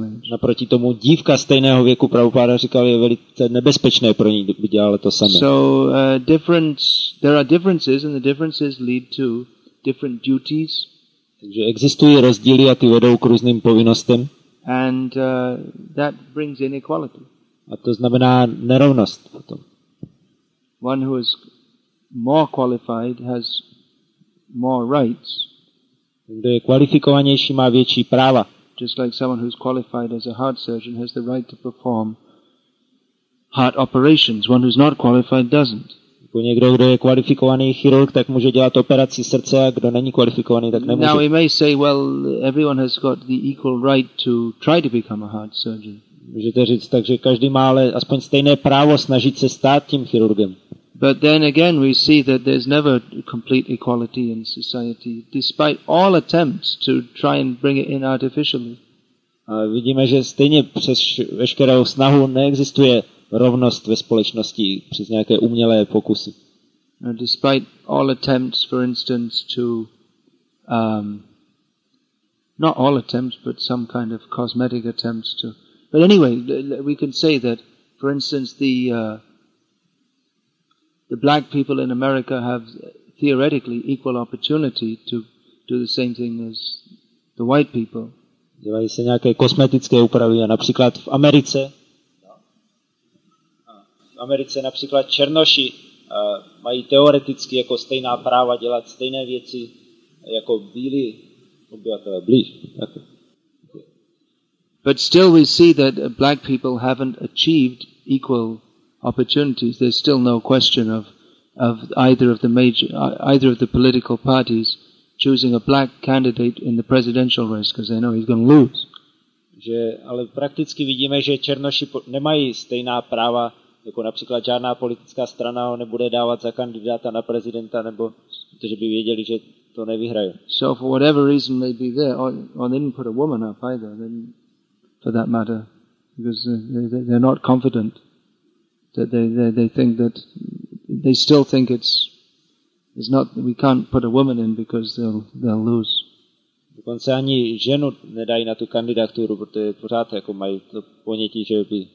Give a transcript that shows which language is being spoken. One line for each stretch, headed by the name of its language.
Czech: Naproti tomu dívka stejného věku Prabhupada říkal, je velice nebezpečné pro ní, kdyby dělala to samé.
English: So there are differences and the differences lead to different duties.
Czech: Takže existují rozdíly a ty vedou k různým povinnostem.
English: And that brings inequality.
Czech: A to znamená nerovnost potom.
English: One who is more qualified has more rights.
Czech: Kdo je kvalifikovanější, má větší práva.
English: Just like someone who's qualified as a heart surgeon has the right to perform heart operations. One who's not qualified doesn't.
Czech: Někdo, kdo je kvalifikovaný chirurg, tak může dělat operaci srdce, a kdo není kvalifikovaný, tak nemůže.
English: Now we may say, well, everyone has got the equal right to try to become a heart surgeon.
Czech: Můžete říct tak, že každý má ale aspoň stejné právo snažit se stát tím chirurgem.
English: But then again we see that there's never complete equality in society despite all attempts to try and bring it in artificially.
Czech: A vidíme, že stejně přes veškerou snahu neexistuje rovnost ve společnosti přes nějaké umělé pokusy.
English: And despite all attempts, for instance, to not all attempts but some kind of cosmetic attempts to. But anyway, we can say that, for instance, the black people in America have theoretically equal opportunity to do the same thing as the white people.
Czech: Dělají se nějaké kosmetické úpravy, například v Americe. V Americe například černoši mají teoreticky jako stejná práva dělat stejné věci jako bílí obyvatelé blíž.
English: But still we see that black people haven't achieved equal opportunities. There's still no question of either of the major either of the political parties choosing a black candidate in the presidential race because they know he's going to lose.
Czech: Že ale prakticky vidíme, že černoši nemají stejná práva jako například žádná politická strana ho nebude dávat za kandidáta na prezidenta nebo protože by věděli, že to nevyhrají.
English: So for whatever reason may be there or they didn't put a woman up either, then for that matter, because they're not confident that they think that they still think it's not we can't put a woman in because they'll lose.
Czech: Dokonce ani ženu nedají na tu kandidaturu, protože pořád jako mají to ponětí, že by.